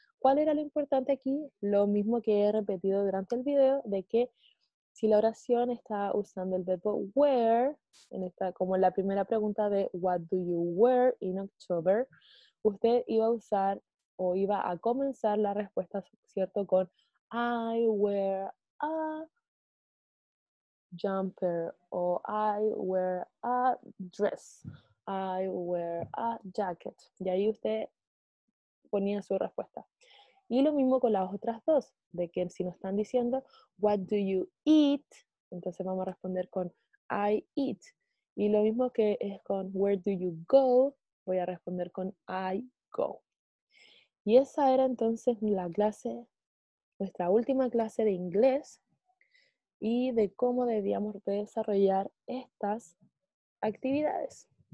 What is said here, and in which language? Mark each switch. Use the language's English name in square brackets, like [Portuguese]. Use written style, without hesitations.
[Spanish] ¿Cuál era lo importante aquí? Lo mismo que he repetido durante el video, de que si la oración está usando el verbo wear, en esta, como la primera pregunta de [English] What do you wear in October, [Spanish] usted iba a usar o iba a comenzar la respuesta, ¿cierto? [English] Con I wear a jumper o I wear a dress, I wear a jacket. [Spanish] Y ahí usted ponía su respuesta. Y lo mismo con las otras dos, de que si nos están diciendo [English] What do you eat? [Spanish] Entonces vamos a responder con [English] I eat. [Spanish] Y lo mismo que es con [English] Where do you go? [Spanish] Voy a responder con [English] I go. [Spanish] Y esa era entonces la clase, nuestra última clase de inglés y de cómo debíamos desarrollar estas actividades.